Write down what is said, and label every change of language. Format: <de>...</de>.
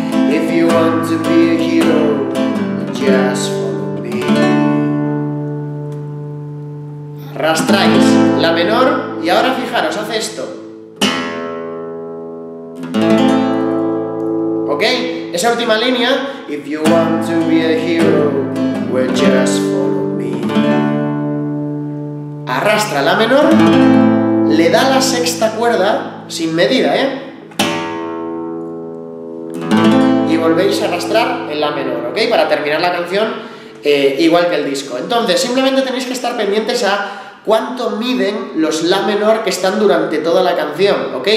<en>If you want to be a hero, just follow me.</en> <es>Arrastráis la menor y ahora fijaros, hace esto. ¿Ok? Esa última línea.</es> <en>If you want to be a hero, well just follow me.</en> <es>Arrastra la menor, le da la sexta cuerda sin medida, ¿eh? Y volvéis a arrastrar en la menor, ¿ok? Para terminar la canción igual que el disco. Entonces, simplemente tenéis que estar pendientes a cuánto miden los la menor que están durante toda la canción, ¿ok?</es>